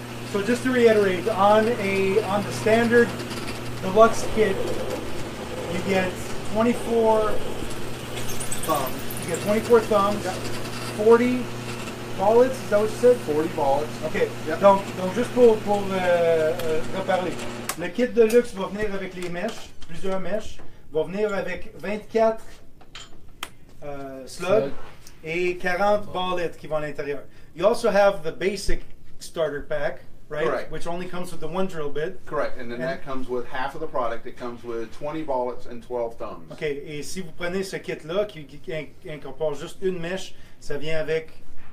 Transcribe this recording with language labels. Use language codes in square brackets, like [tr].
[en] So just to reiterate, on the standard deluxe kit, you get 24 thumbs. You get 24 thumbs, 40 ballets, is that what you said? 40 ballets. Okay, yep. [fr] Donc juste pour reparler. Le kit de luxe va venir avec les mèches, plusieurs mèches, va venir avec 24 slugs et 40 ballets qui vont à l'intérieur. [en] You also have the basic starter pack, right? Correct. Which only comes with the one drill bit. Correct. And then that comes with half of the product. It comes with 20 ballets and 12 thumbs. Okay. [fr] Et si vous prenez ce kit-là, qui incorpore juste une mèche, ça vient avec